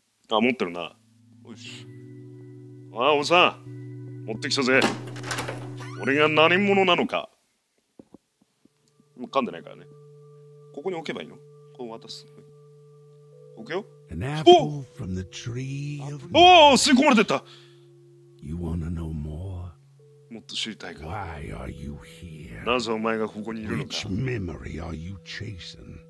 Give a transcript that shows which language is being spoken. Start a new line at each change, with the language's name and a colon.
Japanese: あ、持ってるな。よし。ああ、おさん、持ってきたぜ。俺が何者なのか。もう噛んでないからね。ここに置けばいいの？こう渡す。置くよ。
English: An apple from the tree of...
Japanese: おお、吸い込まれてった。
English: You wanna know more?
Japanese: もっと知りたいか。
English: Why are you here?
Japanese: なぜお前がここにいるのか。
English: Which memory are you chasing?